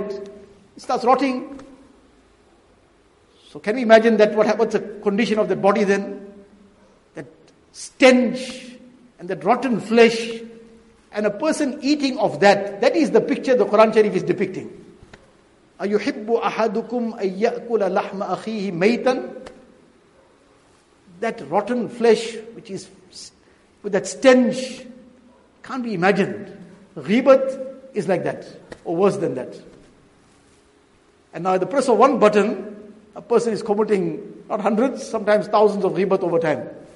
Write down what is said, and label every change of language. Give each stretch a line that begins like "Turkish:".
English: It starts rotting. So can we imagine that what's the condition of the body then? That stench and that rotten flesh, and a person eating of that, that is the picture the Quran Sharif is depicting.
Arabic: أَيُحِبُّ أَحَدُكُمْ أَن يَأْكُلَ لَحْمَ أَخِيهِ مَيْتًا.
English: That rotten flesh, which is with that stench, can't be imagined. Ghibat is like that, or worse than that. And now at the press of one button, a person is committing not hundreds, sometimes thousands of ghibat over time.